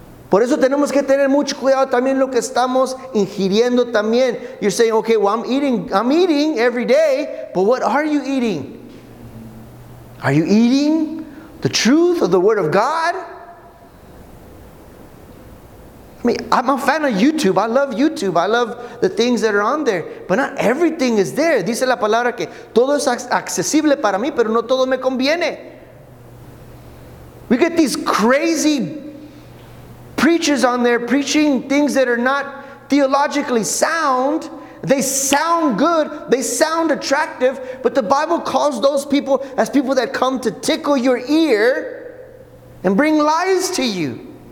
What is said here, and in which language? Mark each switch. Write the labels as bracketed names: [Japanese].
[Spanish] Por eso tenemos que tener mucho cuidado también lo que estamos ingiriendo también. [English] You're saying, okay, well, I'm eating every day, but what are you eating? Are you eating the truth of the Word of God? I mean, I'm a fan of YouTube. I love YouTube. I love the things that are on there. But not everything is there. [Spanish] Dice la palabra que todo es accesible para mí, pero no todo me conviene. [English] We get these crazy preachers on there preaching things that are not theologically sound. They sound good. They sound attractive. But the Bible calls those people as people that come to tickle your ear and bring lies to you.